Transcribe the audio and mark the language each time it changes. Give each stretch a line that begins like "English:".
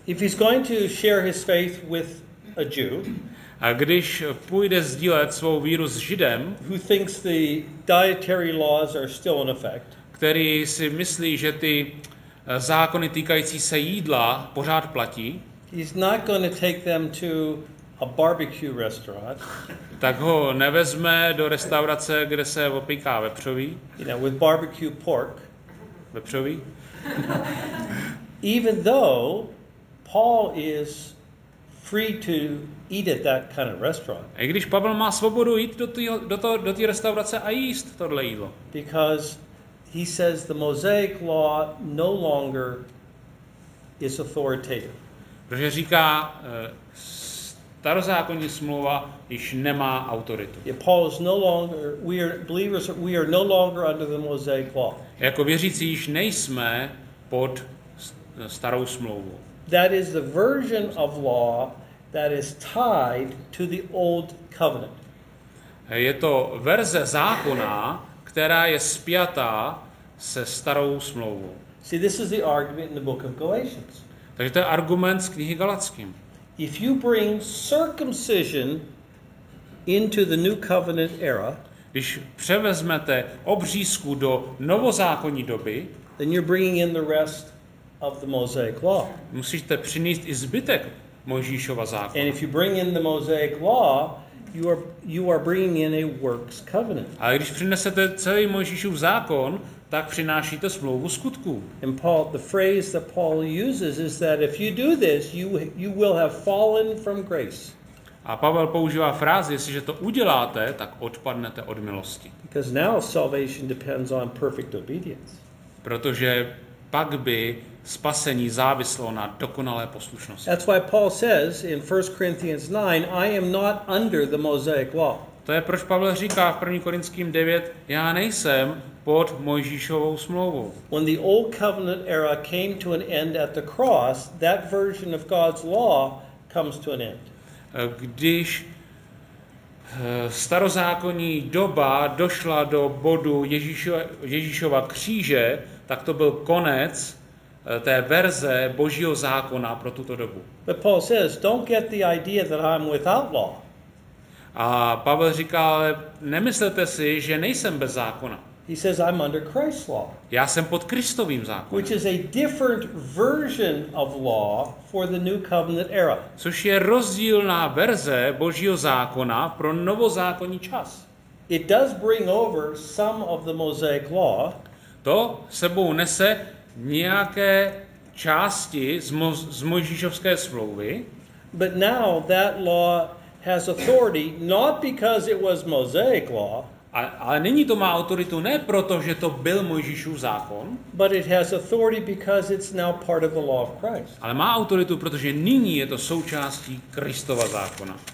English: If he's going to share his faith with a Jew,
Czech: a když půjde sdílet svou víru s Židem,
English: who thinks the dietary laws are still in effect,
Czech: který si myslí, že ty zákony týkající se jídla pořád platí.
English: He's not going to take them to a barbecue restaurant.
Czech: Tak ho nevezme do restaurace, kde se opíká vepřový.
English: You know, with barbecue pork.
Czech: Vepřový.
English: Even though Paul is free to eat at that kind of restaurant.
Czech: A když Pavel má svobodu jít do té restaurace a jíst tohle jídlo.
English: Because he says the Mosaic law no longer is authoritative.
Czech: Protože říká, starozákonní smlouva již nemá autoritu.
English: Yeah, Paul is no longer, we are believers, we are no longer under the Mosaic law.
Czech: Jako věřící již nejsme pod starou smlouvu.
English: That is the version of law that is tied to the old covenant.
Czech: Je to verze zákona, která je spjatá se starou smlouvou.
English: See, this is the argument in the book of Galatians.
Czech: Takže to je argument z knihy Galackým.
English: If you bring circumcision into the new covenant era,
Czech: když převezmete obřízku do novozákonní doby,
English: then you're bringing in the rest of the Mosaic law.
Czech: Musíte přinést i zbytek Mojžíšova zákona.
English: And if you bring in the Mosaic law, you are bringing in a works covenant.
Czech: A když přinesete celý Mojžíšův zákon, tak přinášíte smlouvu skutků.
English: And Paul, the phrase that Paul uses is that if you do this, you will have fallen from grace.
Czech: A Pavel používá frázi, jestliže to uděláte, tak odpadnete od milosti.
English: Because now salvation depends on perfect obedience.
Czech: Protože pak by spasení záviselo na dokonalé poslušnosti.
English: That's why Paul says in 1 Corinthians 9, I am not under the Mosaic law.
Czech: To je proč Pavel říká v 1. Korinským 9, já nejsem pod Mojžíšovou smlouvou.
English: When the old covenant era came to an end at the cross, that version of God's law comes to an end.
Czech: Když starozákonní doba došla do bodu Ježíšova kříže, tak to byl konec té verze Božího zákona pro tuto dobu.
English: But Paul says, don't get the idea that I'm without law.
Czech: A Pavel říká, ale nemyslete si, že nejsem bez zákona.
English: He says, I'm under Christ's law.
Czech: Já jsem pod Kristovým zákonem.
English: Which is a different version of law for the new covenant era.
Czech: Což je rozdílná verze Božího zákona pro novozákonní čas.
English: It does bring over some of the Mosaic law.
Czech: To sebou nese nějaké části z Mojžíšovské smlouvy.
English: But now that law has authority not because it was Mosaic law.
Czech: Ale nyní to má autoritu ne proto, že to byl Mojžíšův zákon,
English: but it has authority because it's now part of the law of Christ.
Czech: Ale má autoritu, protože nyní je to součástí Kristova zákona.